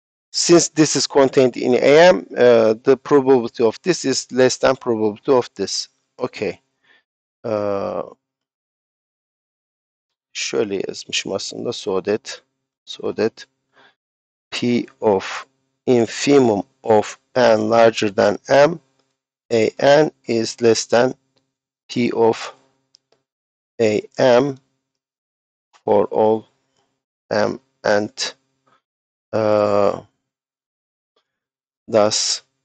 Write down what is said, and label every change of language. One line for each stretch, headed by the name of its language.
English: Since this is contained in AM, the probability of this is less than probability of this. Okay.
Turkish: Şöyle yazmışım aslında.
English: So that P of infimum of n larger than m a n is less than p of a m for all m and thus